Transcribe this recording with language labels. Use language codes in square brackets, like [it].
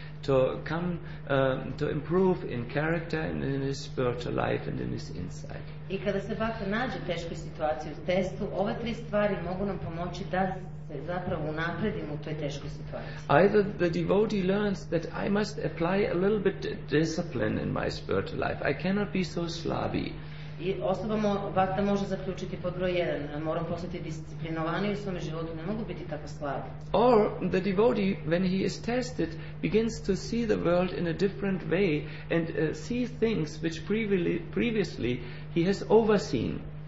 [en] to come to improve in character and in his spiritual life and in his insight. [sr] I kada se bhakta nađe u teškoj situaciji u testu, ove tri stvari mogu nam pomoći da se zapravo unapredimo u toj teškoj situaciji. [en] Either the devotee learns that I must apply a little bit discipline in my spiritual life. I cannot be so slabby. [sr] I osoba bhakta može zaključiti pod broj 1, moram postati disciplinovaniji u svom životu, ne mogu biti tako slab. [en] Or the devotee, when he is tested, begins to see the world in a different way and see things which previously he has overseen.